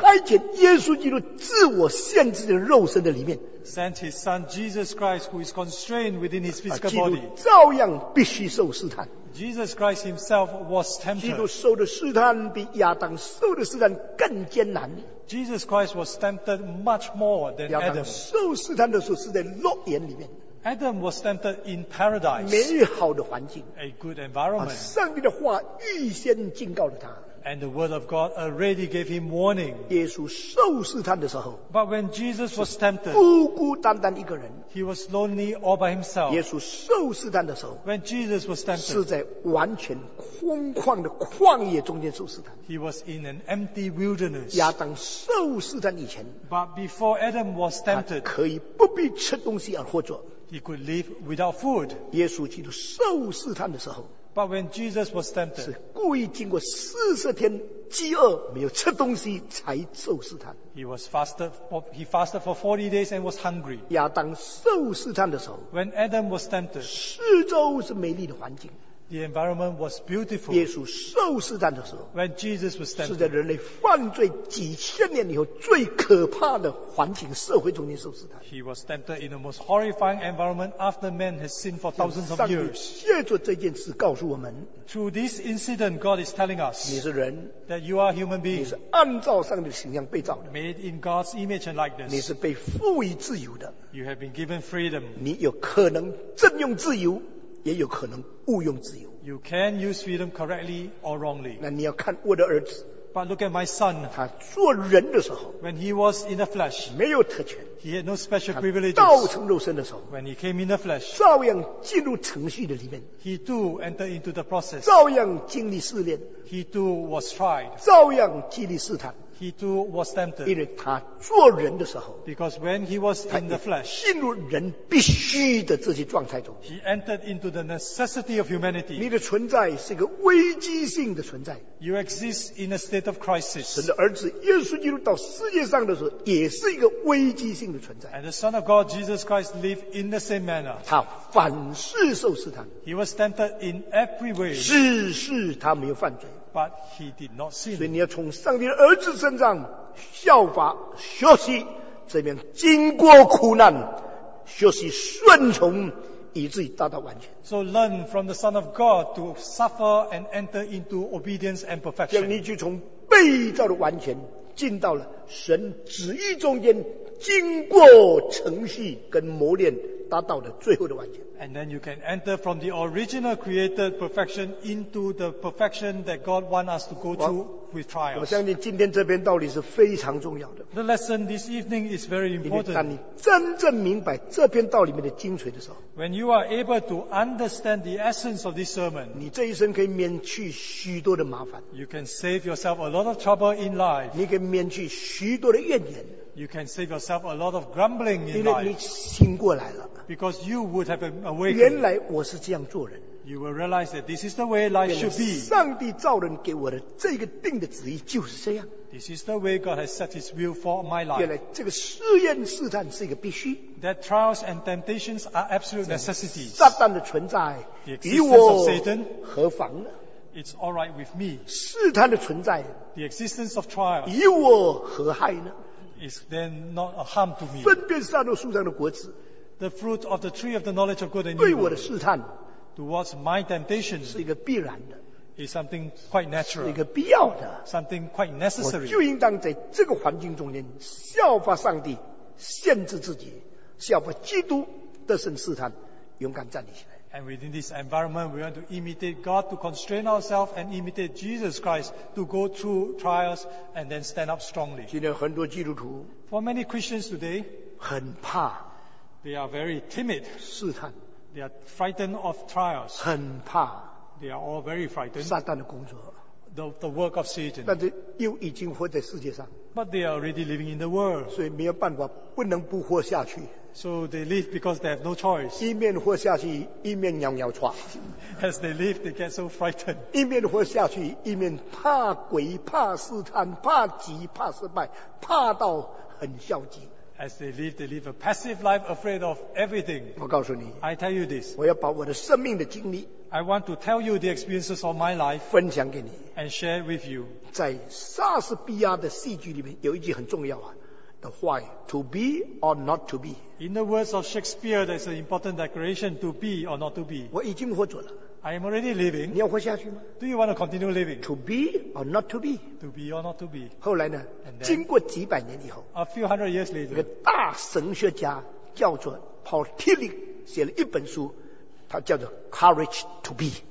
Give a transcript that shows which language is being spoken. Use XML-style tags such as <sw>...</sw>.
<zh>差遣耶稣基督自我限制的肉身的里面。</zh> <en>Sent his son Jesus Christ who is constrained within his physical body.</en> <zh>基督照样必须受试探。</zh> <en>Jesus Christ himself was tempted.</en> <zh>基督受的试探比亚当受的试探更艰难。</zh> <en>Jesus Christ was tempted much more than Adam.</en> <zh>亚当受试探的时候是在乐园里面。</zh> <en>Adam was tempted in paradise.</en> <zh>美好的环境。</zh> <en>A good environment.</en> <zh>上帝的话预先警告了他。</zh> <en>And the word of God already gave him warning.</en> <zh>耶稣受试探的时候</zh> <en>But when Jesus was tempted,</en> <zh>孤孤单单一个人</zh> <en>he was lonely all by himself.</en> <zh>耶稣受试探的时候</zh> <en>when Jesus was tempted,</en> <zh>是在完全空旷的旷野中间受试探</zh> <en>he was in an empty wilderness.</en> <zh>亚当受试探以前</zh> <en>but before Adam was tempted,</en> <zh>可以不必吃东西而活着</zh> <en>he could live without food.</en> <zh>耶稣基督受试探的时候</zh> <en>But when Jesus was tempted,</en> <zh>是故意经过四十天饥饿没有吃东西才受试探。</zh> <en>He fasted for 40 days and was hungry.</en> <zh>亚当受试探的时候</zh> <en>，When Adam was tempted,</en> <zh>四周是美丽的环境。</zh> <en>The environment was beautiful.</en> <zh>耶稣受试探的时候</zh> <en>，When Jesus was tempted,</en> <zh>是在人类犯罪几千年以后最可怕的环境社会中间受试探。</zh> <en>He was tempted in the most horrifying environment after man has sinned for thousands of years.</en> <zh>借助这件事告诉我们</zh> <en>，Through this incident, God is telling us,</en> <zh>你是人</zh> <en>，That you are human being.</en> <zh>你是按照上帝的形象被造的</zh> <en>，Made in God's image and likeness.</en> <zh>你是被赋予自由的</zh> <en>，You have been given freedom.</en> <zh>你有可能正用自由。也有可能误用自由。</zh> <en>You can use freedom correctly or wrongly.</en> <zh>那你要看我的儿子。</zh> <en>But look at my son.</en> <zh>他做人的时候。</zh> <en>When he was in the flesh.</en> <zh>没有特权。</zh> <en>He had no special privileges.</en> <zh>他道成肉身的时候。</zh> <en>When he came in the flesh.</en> <zh>照样进入程序的里面。</zh> <en>He too entered into the process.</en> <zh>照样经历试炼。</zh> <en>He too was tried.</en> <zh>照样经历试探。</zh> <en>He too was tempted.</en> <zh>因为他做人的时候。</zh> <en>Because when he was in the flesh.</en> <zh>进入人必须的这些状态中。</zh> <en>He entered into the necessity of humanity.</en> <zh>你的存在是一个危机性的存在。</zh> <en>You exist in a state of crisis.</en> <zh>神的儿子耶稣基督到世界上的时候也是一个危机性的存在。</zh> <en>And the Son of God, Jesus Christ, lived in the same manner.</en> <zh>他凡事受试探。</zh> <en>He was tempted in every way.</en> <zh>事事他没有犯罪。</zh> <en>But he did not sin.</en> <zh>所以你要从上帝的儿子身上效法学习这边经过苦难学习顺从以至于达到完全</zh> <en>So learn from the Son of God to suffer and enter into obedience and perfection.</en> <zh>叫你去从被被造的完全进到了神旨意中间，经过程序跟磨练达到了最后的完全。</zh> <en>And then you can enter from the original created perfection into the perfection that God wants us to go through with trials.</en> <zh>我相信今天这篇道理是非常重要的。</zh> <en>The lesson this evening is very important.</en> <zh>因为当你真正明白这篇道理里面的精髓的时候，</zh> <en>When you are able to understand the essence of this sermon,</en> <zh>你这一生可以免去许多的麻烦。</zh> <en>You can save yourself a lot of trouble in life.</en> <zh>你可以免去许多的怨言。</zh> <en>You can save yourself a lot of grumbling in life.</en> <zh>因为你醒过来了。</zh> <en>Because you would have been awakened.</en> <zh>原来我是这样做人。</zh> <en>You will realize that this is the way life should be.</en> <zh>上帝造人给我的这个定的旨意就是这样。</zh> <en>This is the way God has set His will for my life.</en> <zh>原来这个试验试探是一个必须。</zh> <en>That trials and temptations are absolute necessities.</en> <zh>撒旦的存在与我何妨呢？</zh> <en>It's all right with me.</en> <zh>试探的存在。</zh> <en>The existence of trials.</en> <zh>与我何害呢？</zh> <en>Is then not a harm to me.</en> <zh>分辨善恶树上的果子。</zh> <en>The fruit of the tree of the knowledge of good and evil.</en> <zh>对我的试探。</zh> <en>Towards my temptation.</en> <zh>是一个必然的。</zh> <en>Is something quite natural.</en> <zh>是一个必要的。</zh> <en>Something quite necessary.</en> <zh>我就应当在这个环境中间效法上帝，限制自己，效法基督得胜试探，勇敢站立起来。</zh> <en>And within this environment, we want to imitate God to constrain ourselves and imitate Jesus Christ to go through trials and then stand up strongly.</en> <zh>今天很多基督徒</zh> <en>For many Christians today,</en> <zh>很怕</zh> <en>They are very timid.</en> <zh>试探</zh> <en>They are frightened of trials.</en> <zh>很怕</zh> <en>They are all very frightened.</en> <zh>撒旦的工作</zh> <en>The work of Satan.</en> <zh>但是又已经活在世界上</zh> <en>But they are already living in the world.</en> <zh>所以没有办法不能不活下去。</zh> <en>So they live because they have no choice.</en> <zh>一面活下去，一面摇摇喘。</zh> <en>As they live, they get so frightened.</en> <zh>一面活下去，一面怕鬼、怕试探、怕急、怕失败，怕到很消极。</zh> <en>As they live a passive life, afraid of everything.</en> <zh>我告诉你</zh> <en>，I tell you this.</en> <zh>我要把我的生命的经历</zh> <en>，I want to tell you the experiences of my life.</en> <zh>分享给你</zh> <en>，and share with you.</en> <zh>在莎士比亚的戏剧里面有一句很重要啊。</zh> <en>The why, to be or not to be. In the words of Shakespeare, there's an important declaration, to be or not to be.</en> <zh>我已经活着了。</zh> <en>I am already living.</en> <zh>你要活下去吗？</zh> <en>Do you want to continue living? To be or not to be. To be or not to be.</en> <zh>后来呢？</zh> <en>And then,</en> <zh>经过几百年以后。</zh> <en>A few hundred years later.</en> <zh>一个大神学家叫做 Paul Tillich 写了一本书，他叫做</zh> <en>Courage to Be.</en>